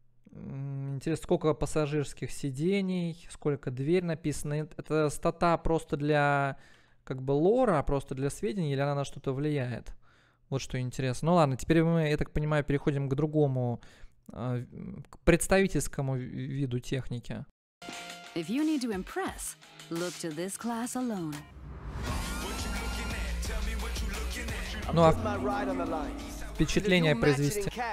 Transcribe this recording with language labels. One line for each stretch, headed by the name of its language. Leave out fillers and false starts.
Russian: Интересно, сколько пассажирских сидений, сколько дверь написано. Это стата просто для как бы лора, просто для сведений, или она на что-то влияет? Вот что интересно. Ну ладно, теперь мы, я так понимаю, переходим к другому, к представительскому виду техники.
English: If you need to impress, look to this class alone.
Russian: Ну а впечатление произвести.